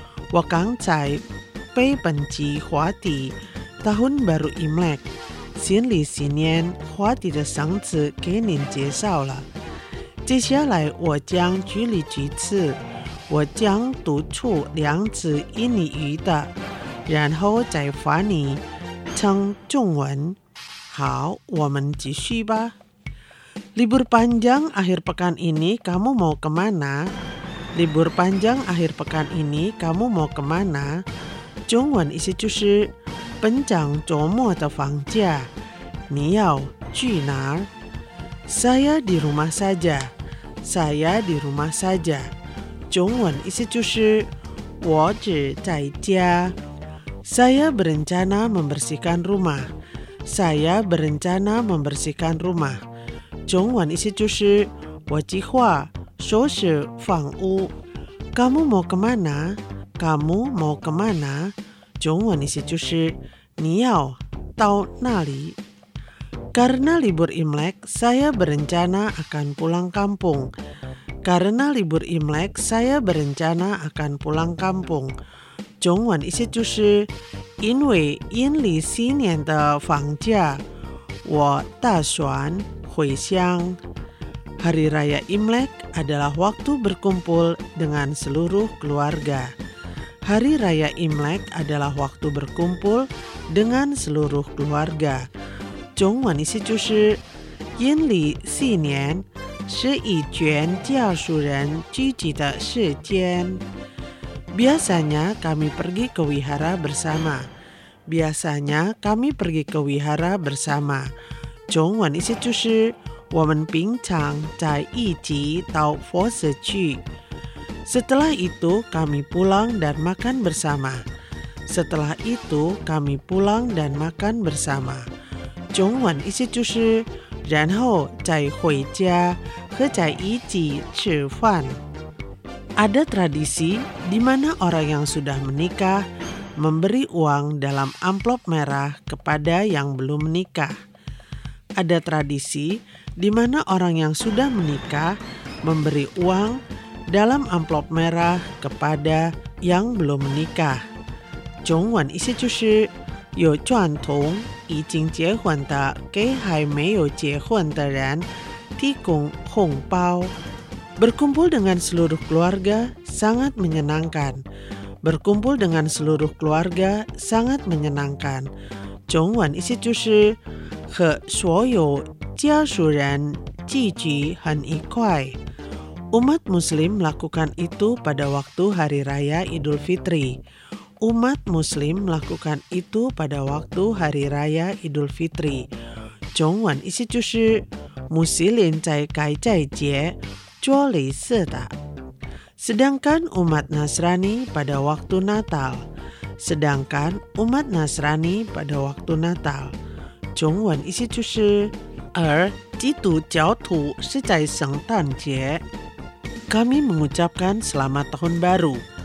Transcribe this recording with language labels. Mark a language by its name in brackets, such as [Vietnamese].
[Chinese] 我刚才背本期话题《Tahun Baru Imlek》，新历新年话题的生词给您介绍了。接下来我将举例几次，我将读出两次印尼语的，然后再发你成中文。好，我们继续吧。 [Indonesian] Libur panjang akhir pekan ini kamu mau kemana? Libur panjang akhir pekan ini kamu mau kemana? [Chinese] 中文意思就是本场周末的放假，你要去哪儿？ [Indonesian] Saya di rumah saja. Saya di rumah saja. [Chinese] 中文意思就是我只在家。 [Indonesian] Saya berencana membersihkan rumah. Saya berencana membersihkan rumah. [Chinese] 中文意思就是我计划收拾房屋。 [Indonesian] Kamu mau kemana? Kamu mau kemana? [Chinese] 中文意思就是你要到哪里。 [Indonesian] Karena libur Imlek, saya berencana akan pulang kampung. Karena libur Imlek, saya berencana akan pulang kampung. [Chinese] 中文意思就是因为阴历新年的放假，我打算回乡。 [Indonesian] Hari Raya Imlek adalah waktu berkumpul dengan seluruh keluarga. Hari Raya Imlek adalah waktu berkumpul dengan seluruh keluarga. [Chinese] 中文意思就是阴历新年是以全家属人聚集的时间。 [Indonesian] Biasanya kami pergi ke wihara bersama. Biasanya kami pergi ke wihara bersama. [Chinese] 中文意思就是我们平常在一起到佛寺去。 [Indonesian] Setelah itu kami pulang dan makan bersama. Setelah itu kami pulang dan makan bersama. [Chinese] 中文意思就是然后再回家和在一起吃饭。 [Indonesian] Ada tradisi di mana orang yang sudah menikah memberi uang dalam amplop merah kepada yang belum menikah. Ada tradisi di mana orang yang sudah menikah memberi uang dalam amplop merah kepada yang belum menikah. [Chinese] 中文意思就是有传统，已经结婚的给还没有结婚的人提供红包。 [Indonesian] Berkumpul dengan seluruh keluarga sangat menyenangkan. Berkumpul dengan seluruh keluarga sangat menyenangkan. [Chinese] 中文意思就是和所有家属人聚集很愉快。 [Indonesian] Umat Muslim melakukan itu pada waktu Hari Raya Idul Fitri. Umat Muslim melakukan itu pada waktu Hari Raya Idul Fitri. [Chinese] 中文意思就是穆斯林在该斋节做礼事的。 [Indonesian] Sedangkan umat Nasrani pada waktu Natal. Sedangkan umat Nasrani pada waktu Natal. [Chinese] 中文意思就是而基督教徒是在圣诞节。 [Indonesian] Kami mengucapkan selamat tahun baru.